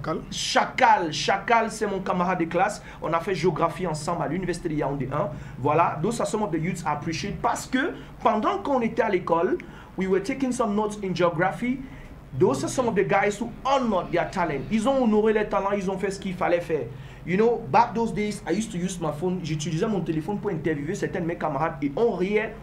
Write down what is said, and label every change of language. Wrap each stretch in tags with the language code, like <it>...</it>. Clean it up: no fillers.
<fr>Chacal, c'est mon camarade de classe. On a fait géographie ensemble à l'université de Yaoundé 1.</fr> <en>Voilà, those are some of the youths I appreciate.</en> <fr>Parce que pendant qu'on était à l'école,</fr> <en>we were taking some notes in geography. Those are some of the guys who honored their talent.</en> <fr>Ils ont honoré les talents, ils ont fait ce qu'il fallait faire.</fr> <en>You know, back those days, I used to use my phone.</en> <fr>J'utilisais mon téléphone pour interviewer certains de mes camarades et on riait.</fr>